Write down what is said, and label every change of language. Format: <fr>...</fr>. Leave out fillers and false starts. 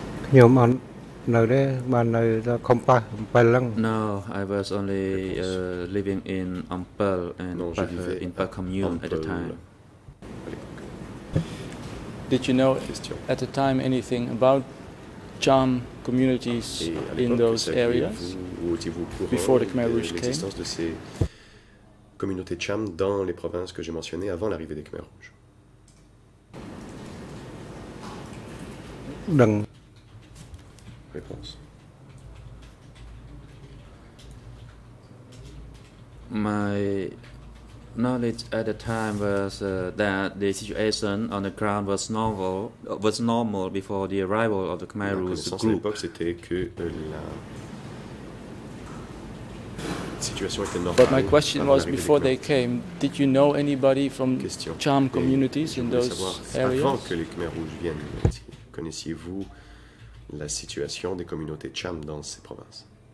<en>No, I was only living in Ampel and in Pa Commune at the time. Did you know at the time anything about Cham communities in those areas before the Khmer Rouge came?</en> <fr>De ces communautés Cham dans les provinces que j'ai mentionnées avant l'arrivée des Khmer Rouge?</fr> <en>My knowledge at the time was that the situation on the ground was novel, was normal before the arrival of the Khmer Rouge group. But my question was, before they came, did you know anybody from Cham communities in those areas?</en> <fr>Avant que les Khmer Rouges viennent, connaissiez-vous la situation des communautés Cham dans ces provinces?</fr>